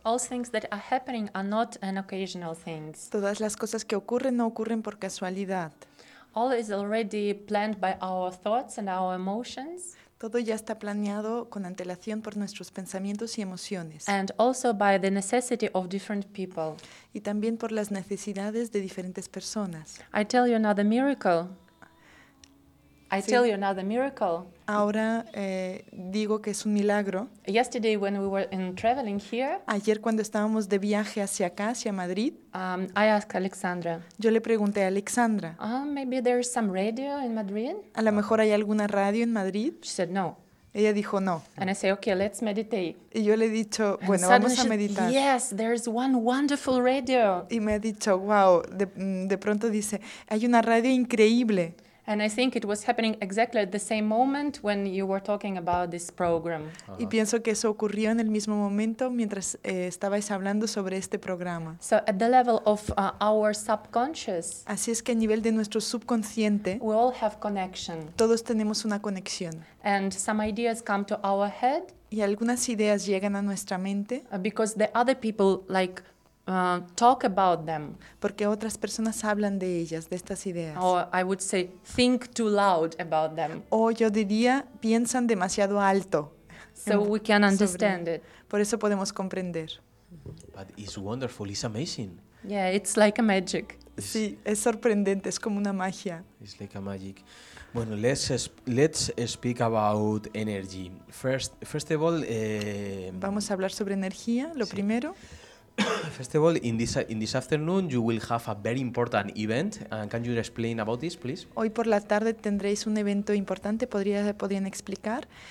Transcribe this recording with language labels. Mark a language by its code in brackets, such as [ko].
[en] All things that are happening are not an occasional things. [es] Todas las cosas que ocurren no ocurren por casualidad. [en] All is already planned by our thoughts and our emotions. [es] Todo ya está planeado con antelación por nuestros pensamientos y emociones. [en] And also by the necessity of different people. [es] Y también por las necesidades de diferentes personas. [en] I tell you another miracle. I sí. Tell you another miracle. [es] Ahora digo que es un milagro. [en] Yesterday when we were in traveling here. [es] Ayer cuando estábamos de viaje hacia acá, hacia Madrid. [en] I asked Alexandra. [es] Yo le pregunté a Alexandra. [en] Maybe there's some radio in Madrid. [es] A lo mejor hay alguna radio en Madrid. [en] She said no. [es] Ella dijo no. [en] And I say okay, let's meditate. [es] Y yo le he dicho bueno, vamos a meditar. [en] Yes, there's one wonderful radio. [es] Y me ha dicho wow, de pronto dice hay una radio increíble. [en] And I think it was happening exactly at the same moment when you were talking about this program. Uh-huh. [es] Y pienso que eso ocurrió en el mismo momento mientras estabais hablando sobre este programa. [en] So at the level of our subconscious. [es] Así es que a nivel de nuestro subconsciente. [en] We all have connection. [es] Todos tenemos una conexión. [en] And some ideas come to our head. [es] Y algunas ideas llegan a nuestra mente. [en] Because the other people like. Talk about them. [es] Porque otras personas hablan de ellas, de estas ideas. [en] Or I would say, think too loud about them. [es] O yo diría, piensan demasiado alto. [en] So we can understand it. [es] Por eso podemos comprender. [en] But it's wonderful, it's amazing. Yeah, it's like a magic. [es] Sí, es sorprendente, es como una magia. [en] It's like a magic. [es] Bueno, [en] let's speak about energy. First of all... [es] Vamos a hablar sobre energía, lo sí. Primero. [en] First of all, in this afternoon you will have a very important event. Can you explain about this, please? [es] Hoy por la tarde tendréis un evento importante. ¿Podrían explicar?